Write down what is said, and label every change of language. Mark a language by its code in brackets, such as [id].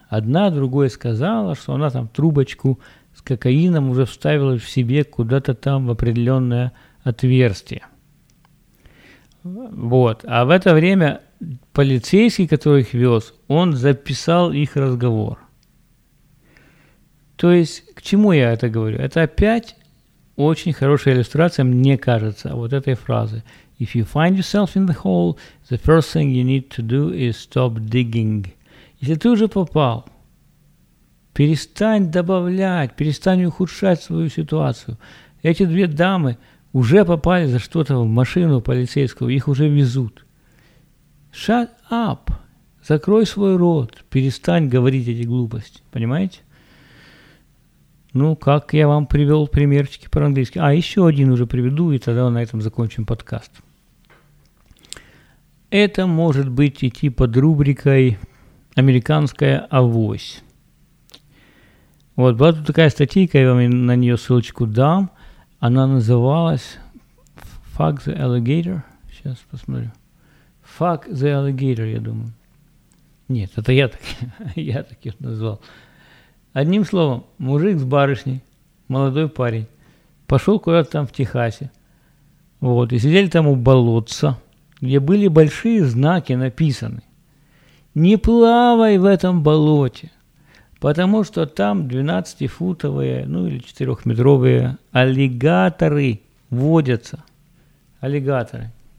[ru] Одна другой сказала, что она там трубочку с кокаином уже вставила в себе куда-то там в определенное отверстие. Вот. А в это время полицейский, который их вез, он записал их разговор. То есть, к чему я это говорю? Это опять очень хорошая иллюстрация, мне кажется, вот этой фразы. [en] If you find yourself in the hole, the first thing you need to do is stop digging. [ru] Если ты уже попал, перестань добавлять, перестань ухудшать свою ситуацию. Эти две дамы уже попали за что-то в машину полицейского, их уже везут. [en] Shut up! [ru] Закрой свой рот, перестань говорить эти глупости, понимаете? Ну, как я вам привел примерчики про английский. А, еще один уже приведу, и тогда на этом закончим подкаст. Это может быть идти под рубрикой «Американская авось». Вот, была тут такая статейка, я вам на нее ссылочку дам. Она называлась [en] «Fuck the alligator». [ru] Сейчас посмотрю. [en] «Fuck the alligator», [ru] я думаю. Нет, это я так ее назвал. Одним словом, мужик с барышней, молодой парень, пошел куда-то там в Техасе, вот, и сидели там у болотца, где были большие знаки написаны. Не плавай в этом болоте, потому что там 12-футовые, ну или 4-метровые аллигаторы водятся. Аллигаторы.